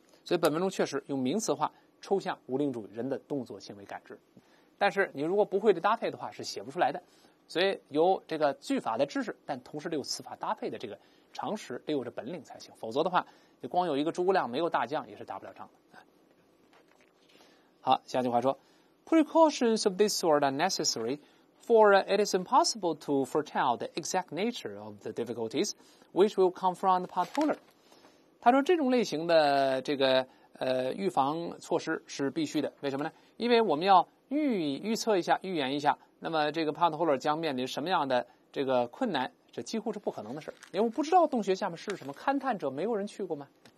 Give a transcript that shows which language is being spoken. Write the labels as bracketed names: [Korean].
[Chinese] 所以本文中确实用名词化抽象无灵主语，人的动作行为感知，但是你如果不会的搭配的话是写不出来的。所以有这个句法的知识，但同时得有词法搭配的这个常识，得有这本领才行，否则的话你光有一个诸葛亮没有大将也是搭不了仗的。好，下句话说 [English] Precautions of this sort are necessary for it is impossible to foretell the exact nature of the difficulties which will come from the potholder。 [Chinese] 他说这种类型的这个预防措施是必须的，为什么呢？因为我们要预测一下，预言一下，那么这个 potholder 将面临什么样的这个困难，这几乎是不可能的事，因为我不知道洞穴下面是什么，勘探者没有人去过吗？